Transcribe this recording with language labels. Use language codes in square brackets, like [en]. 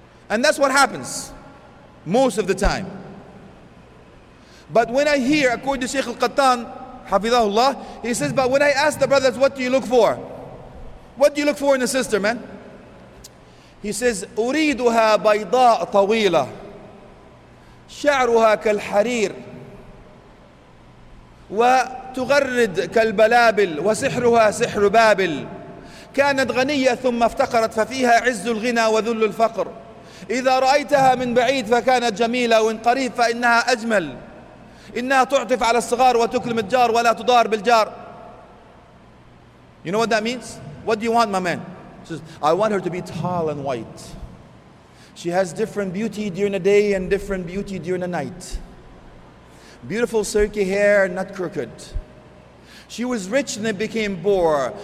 [en] And that's what happens most of the time. But when I hear, according to Shaykh Al-Qattan, Hafidhahullah, he says, but when I ask the brothers, what do you look for? What do you look for in a sister, man? He says, [ar] أُرِيدُهَا بَيْضَاءَ طَوِيلَةَ شَعْرُهَا كَالْحَرِيرِ وَتُغَرِّدْ كَالْبَلَابِلِ وَسِحْرُهَا سِحْرُ بَابِلِ كانت غنية ثم افتقرت ففيها عز الغنى وذل الفقر إذا رأيتها من بعيد فكانت جميلة وإن قريب فإنها أجمل إنها تعطف على الصغار وتكلم الجار ولا تضار بالجار. [en] You know what that means? What do you want, my man? He says, I want her to be tall and white. She has different beauty during the day and different beauty during the night. Beautiful silky hair, not crooked. She was rich and then became poor.